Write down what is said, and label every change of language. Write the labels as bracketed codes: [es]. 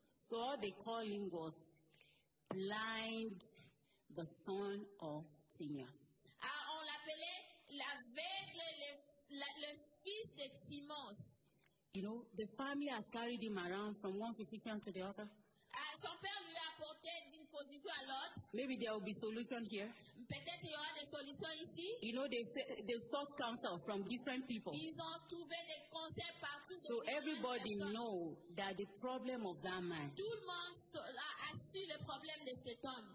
[en] So all they call him was blind, the son of Timaeus. [fr] On l'appelait l'aveugle, le fils de Timaeus. [en] You know, the family has carried him around from one position to the other. [fr] Son père lui a porté d'une position à l'autre. [en] Maybe there will be solution here. [fr] Peut-être il y aura des solutions ici. [en] You know, they sought counsel from different people. [fr] Ils ont trouvé des conseils partout. [en] So everybody know that the problem of that man. [fr] Tout le monde a su le problème de cet homme.